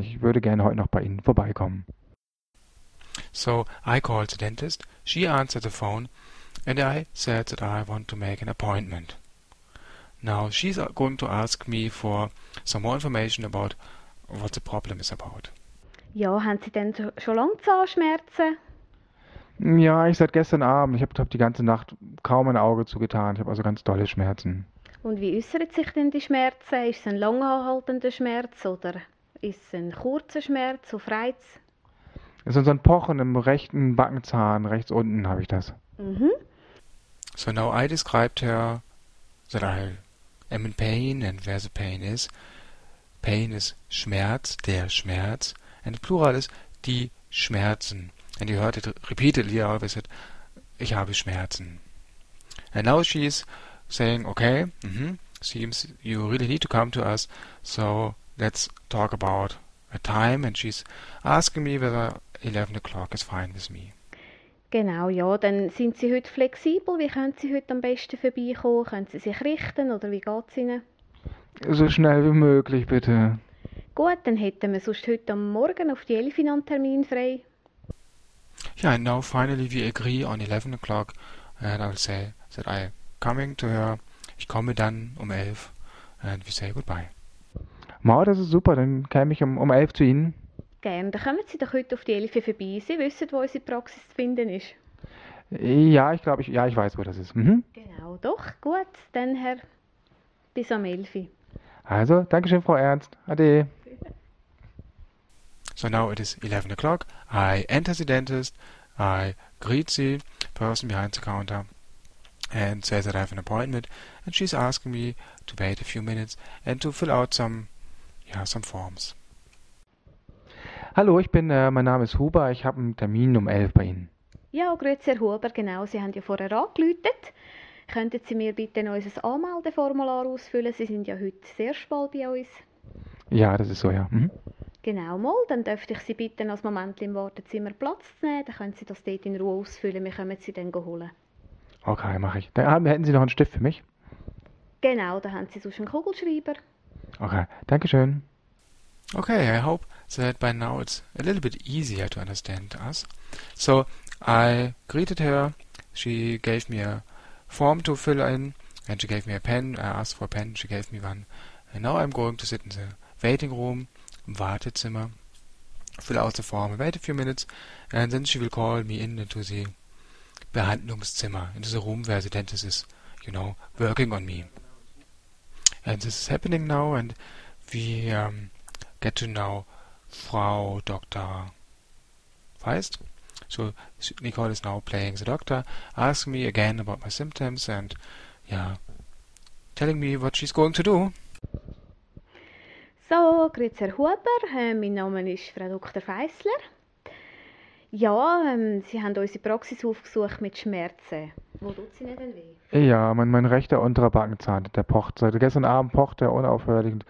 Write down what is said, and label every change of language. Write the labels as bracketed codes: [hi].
[de] Ich würde gerne heute noch bei Ihnen vorbeikommen. [en] So, I called the dentist. She answered the phone and I said that I want to make an appointment. Now, she's going to ask me for some more information about what the problem is about. [de] Ja, haben Sie denn schon lange Zahnschmerzen? Ja, ich seit gestern Abend. Ich habe die ganze Nacht kaum ein Auge zugetan. Ich habe also ganz dolle Schmerzen. Und wie äußert sich denn die Schmerzen? Ist es ein langanhaltender Schmerz oder ist es ein kurzer Schmerz auf Reiz? Es ist so ein Pochen im rechten Backenzahn, rechts unten habe ich das. Mhm. [en] So now I described her that I am in pain and where the pain is. Pain is Schmerz, der Schmerz. And Plural is die Schmerzen. And you heard it repeatedly, I always said, [de] ich habe Schmerzen. [en] And now she is saying, okay, seems you really need to come to us, so let's talk about a time. And she's asking me whether 11 o'clock is fine with me. [de] Genau, ja, dann sind Sie heute flexibel. Wie können Sie heute am besten vorbeikommen? Können Sie sich richten oder wie geht es Ihnen? So schnell wie möglich, bitte. Gut, dann hätten wir sonst heute am Morgen auf die 11 einen Termin frei. [en] Yeah, and now finally we agree on 11 o'clock and I'll say that I'm coming to her. Ich komme dann um 11 and we say goodbye. [de] Mau, das ist super, dann käme ich um 11 zu Ihnen. Gerne, dann kommen Sie doch heute auf die 11 vorbei. Sie wissen, wo unsere Praxis zu finden ist. Ja, ich glaube, ich weiß, wo das ist. Mhm. Genau, doch, gut, dann Herr, bis am 11. Also, danke schön, Frau Ernst. Ade. [en] So now it is 11 o'clock, I enter the dentist, I greet the person behind the counter and say that I have an appointment and she's asking me to wait a few minutes and to fill out some forms. [de] Hallo, ich bin, mein Name ist Huber, ich habe einen Termin um 11 bei Ihnen. Ja, grüezi Herr Huber, genau, Sie haben ja vorher angeläutet. Könnten Sie mir bitte noch unser Anmeldeformular ausfüllen? Sie sind ja heute das erste Mal bei uns. Ja, das ist so, ja. Mhm. Genau, mal, dann dürfte ich Sie bitten, als Moment im Wartezimmer Platz zu nehmen. Dann können Sie das dort in Ruhe ausfüllen. Wir kommen Sie dann holen. Okay, mache ich. Dann hätten Sie noch einen Stift für mich? Genau, da haben Sie sonst einen Kugelschreiber. Okay, danke schön. [en] Okay, I hope that by now it's a little bit easier to understand us. So, I greeted her. She gave me a form to fill in, and she gave me a pen. I asked for a pen, she gave me one. And now I'm going to sit in the waiting room, Wartezimmer, fill out the form, wait a few minutes, and then she will call me in into the Behandlungszimmer, into the room where the dentist is, you know, working on me. And this is happening now, and we get to know Frau Dr. Feist. So Nicole is now playing the doctor, asking me again about my symptoms and, yeah, telling me what she's going to do. [de] So, grüezi Herr Huber, mein Name ist Frau Dr. Feissler. Ja, Sie haben unsere Praxis aufgesucht mit Schmerzen. Wo tut sie denn weh? Ja, mein rechter unterer Backenzahn, der pocht. Seit gestern Abend pocht er unaufhörlich.